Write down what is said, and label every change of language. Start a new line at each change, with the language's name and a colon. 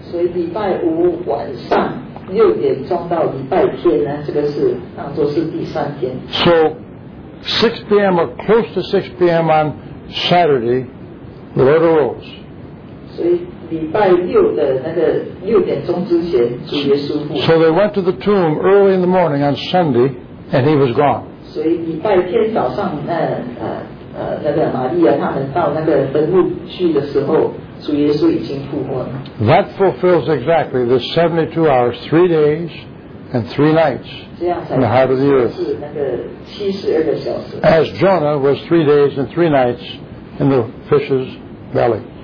Chinese: 所以礼拜五晚上六点钟到礼拜天呢，这个是当做是第三天。
English: So 6 p.m. or close to 6 p.m. on Saturday, the Lord arose.
Chinese: 所以礼拜六的那个六点钟之前，主耶稣复活。
English: So they went to the tomb early in the morning on Sunday, and he was gone.
Chinese: 所以礼拜天早上，那个玛利亚他们到那个坟墓去的时候，主耶稣已经复活了。
English: That fulfills exactly the 72 hours, 3 days and 3 nights in the heart of the earth.
Chinese: 这样才是那个72个小时。
English: As Jonah was 3 days and 3 nights in the fish's belly.